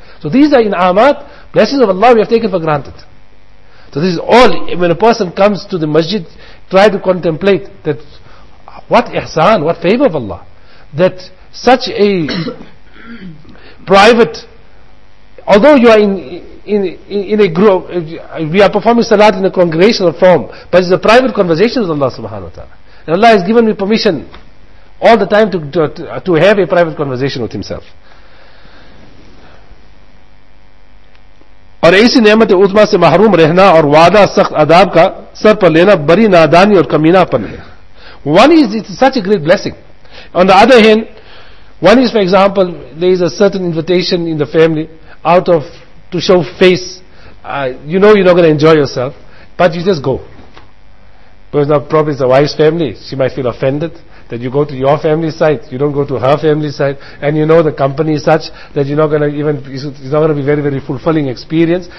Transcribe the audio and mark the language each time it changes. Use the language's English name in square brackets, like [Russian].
[English] So these are in Ahmad, blessings of Allah we have taken for granted. So this is all, when a person comes to the masjid, try to contemplate that what ihsan, what favor of Allah, that such a private, although you are in a group, we are performing salat in a congregational form, but it's a private conversation with Allah subhanahu wa ta'ala. And Allah has given me permission all the time to have a private conversation with Himself. [Urdu] اور ایسی نعمت عظمہ سے محروم رہنا اور وعدہ سخت عذاب کا سر پر لینا بری نادانی اور کمینہ پن ہے. [English] One is, it's such a great blessing. On the other hand, one is, for example, there is a certain invitation in the family out of to show face. You know you're not going to enjoy yourself, but you just go. Because now probably it's a wife's family, she might feel offended that you go to your family side, you don't go to her family side, and you know the company is such that you're not going to even, it's not going to be very, very fulfilling experience.